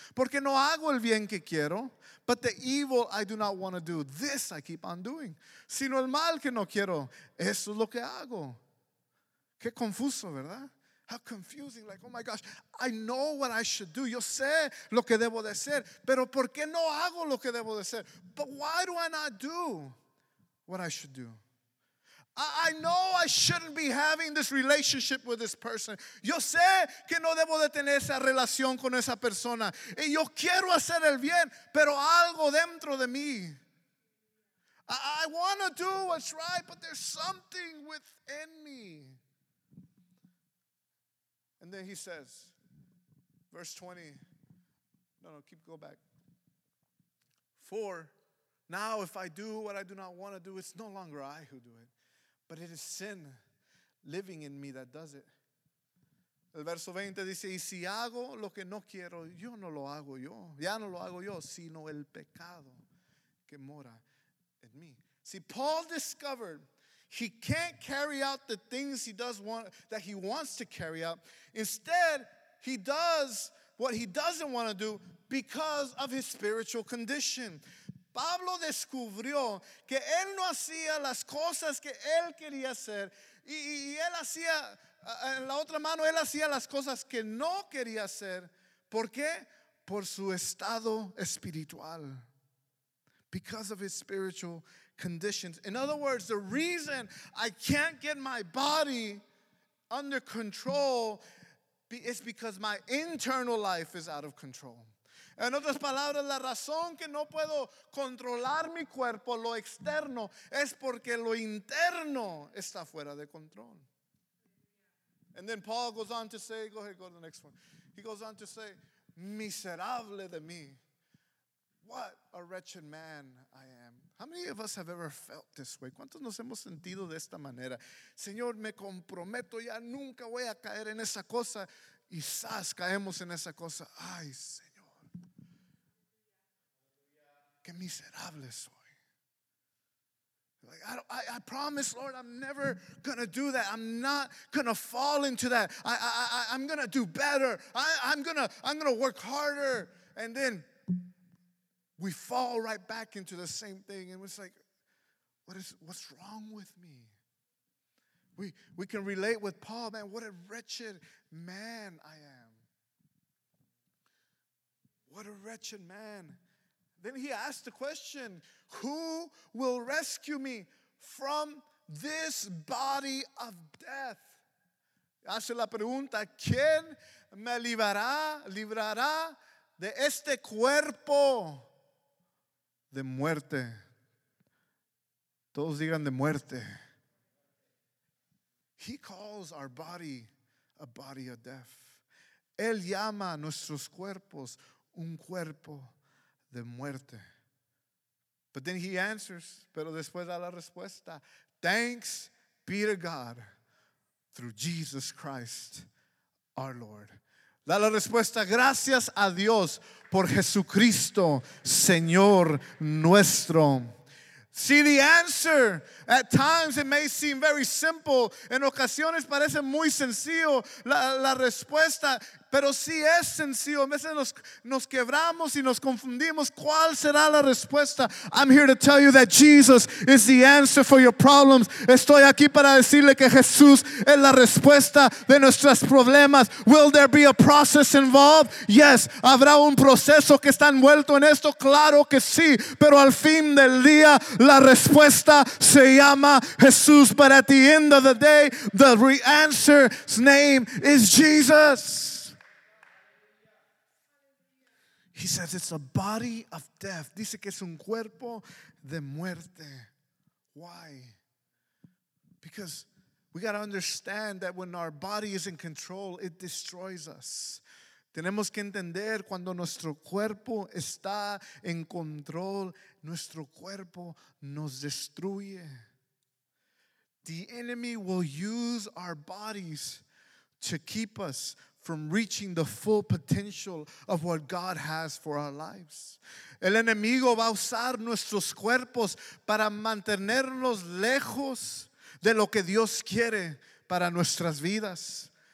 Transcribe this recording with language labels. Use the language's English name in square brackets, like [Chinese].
[Spanish] Porque no hago el bien que quiero. [English] But the evil I do not want to do. This I keep on doing. [Spanish] Sino el mal que no quiero. Eso es lo que hago. [English] Qué confuso, ¿verdad? How confusing, like, oh my gosh, I know what I should do. [Spanish] Yo sé lo que debo de hacer. Pero ¿por qué no hago lo que debo de hacer? [English] But why do I not do what I should do? I know I shouldn't be having this relationship with this person. [Spanish] Yo sé que no debo de tener esa relación con esa persona. Y yo quiero hacer el bien, pero algo dentro de mí. [English] I want to do what's right, but there's something within me. And then he says, verse 20. No, keep go back. For now if I do what I do not want to do, it's no longer I who do it. But it is sin living in me that does it. [Spanish] El verso 20 dice, y si hago lo que no quiero, yo no lo hago yo. Ya no lo hago yo, sino el pecado que mora en mí. [English] See, Paul discovered he can't carry out the things he wants to carry out. Instead, he does what he doesn't want to do because of his spiritual condition. [Spanish] Pablo descubrió que él no hacía las cosas que él quería hacer y él hacía, en la otra mano, él hacía las cosas que no quería hacer. ¿Por qué? Por su estado espiritual. [English] Because of his spiritual conditions. In other words, the reason I can't get my body under control is because my internal life is out of control. [Spanish] En otras palabras, la razón que no puedo controlar mi cuerpo, lo externo, es porque lo interno está fuera de control. [English] And then Paul goes on to say, go ahead, go to the next one. He goes on to say, [Spanish] miserable de mí. [English] What a wretched man I am. How many of us have ever felt this way? [Spanish] ¿Cuántos nos hemos sentido de esta manera? Señor, me comprometo, ya nunca voy a caer en esa cosa. Y zas, caemos en esa cosa. Ay, Señor. Qué miserable soy. [English] Like, I promise, Lord, I'm never going to do that. I'm not going to fall into that. I'm going to do better. I'm going to work harder. And then we fall right back into the same thing. And it's like, what's wrong with me? We can relate with Paul, man. What a wretched man I am. What a wretched man. Then he asked the question, who will rescue me from this body of death? [Spanish] Hace la pregunta, ¿quién me librará de este cuerpo de muerte? Todos digan de muerte. [English] He calls our body a body of death. [Spanish] Él llama a nuestros cuerpos un cuerpo de muerte. [English] But then he answers, [Spanish] pero después da la respuesta, [English] thanks be to God through Jesus Christ our Lord. [Spanish] Da la respuesta, gracias a Dios por Jesucristo, Señor nuestro. [English] See, the answer, at times it may seem very simple. [Spanish] En ocasiones parece muy sencillo la respuesta. Pero si es sencillo, a veces nos quebramos y nos confundimos. ¿Cuál será la respuesta? [English] I'm here to tell you that Jesus is the answer for your problems. [Spanish] Estoy aquí para decirle que Jesús es la respuesta de nuestros problemas. [English] Will there be a process involved? Yes. [Spanish] ¿Habrá un proceso que está envuelto en esto? Claro que sí. Pero al fin del día, la respuesta se llama Jesús. [English] But at the end of the day, the answer's name is Jesus. He says it's a body of death. [Spanish] Dice que es un cuerpo de muerte. Why? [English] Because we got to understand that when our body is in control, it destroys us. [Spanish] Tenemos que entender cuando nuestro cuerpo está en control, nuestro cuerpo nos destruye. [English] The enemy will use our bodies to keep us from reaching the full potential of what God has for our lives. [Spanish] El enemigo va a usar nuestros cuerpos para mantenernos lejos de lo que Dios quiere para nuestras vidas.